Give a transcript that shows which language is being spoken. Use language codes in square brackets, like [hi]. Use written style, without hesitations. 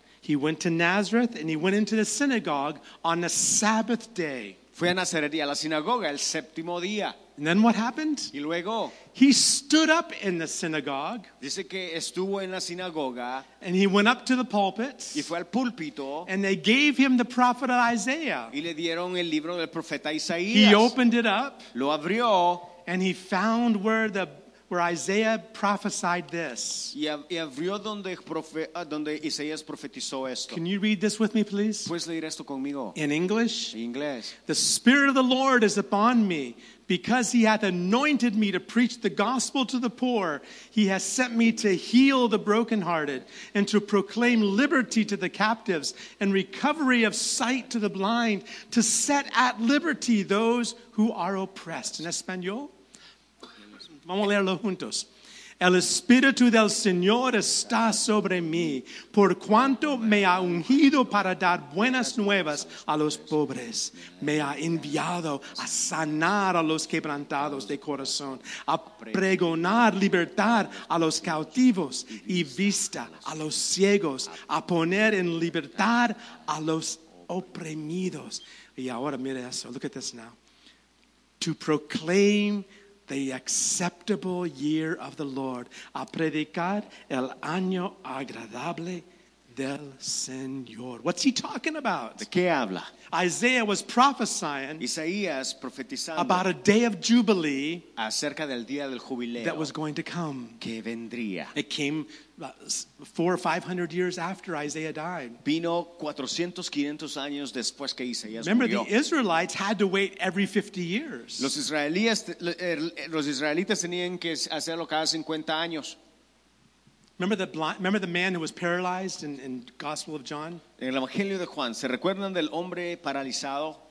[en] He went to Nazareth and he went into the synagogue on the Sabbath day. [es] Fue a Nazaret y a la sinagoga el séptimo día. [en] And then what happened? [es] Y luego, [en] he stood up in the synagogue. [es] Dice que estuvo en la sinagoga. [en] And he went up to the pulpit. [es] Y fue al púlpito. [en] And they gave him the prophet Isaiah. [es] Y le dieron el libro del profeta Isaías. [en] He opened it up. [es] Lo abrió. [en] And he found where Isaiah prophesied this. [es] Y abrió donde Isaías profetizó esto. [en] Can you read this with me, please? [es] ¿Puedes leer esto conmigo? [en] In English. [es] En inglés. [en] The Spirit of the Lord is upon me. Because he hath anointed me to preach the gospel to the poor, he has sent me to heal the brokenhearted and to proclaim liberty to the captives and recovery of sight to the blind, to set at liberty those who are oppressed. [es] ¿En español? Vamos a leerlo juntos. El Espíritu del Señor está sobre mí, por cuanto me ha ungido para dar buenas nuevas a los pobres. Me ha enviado a sanar a los quebrantados de corazón, a pregonar libertad a los cautivos y vista a los ciegos, a poner en libertad a los oprimidos. Y ahora mire eso, [en] look at this now. To proclaim the acceptable year of the Lord, [es] a predicar el año agradable del Señor. [en] What's he talking about? [es] ¿De qué habla? [en] Isaiah was prophesying [es] Isaías profetizando [en] about a day of jubilee [es] acerca del día del jubileo [en] that was going to come. [es] Que vendría. [en] It came 400 or 500 years after Isaiah died. [es] Vino 400 o 500 años después que Isaías [en] Remember, [es] murió. [en] Remember, the Israelites had to wait every 50 years. [es] Los israelitas tenían que hacerlo cada 50 años. [en] Remember the man who was paralyzed in Gospel of John? [es] En el Evangelio de Juan, ¿se recuerdan del hombre paralizado?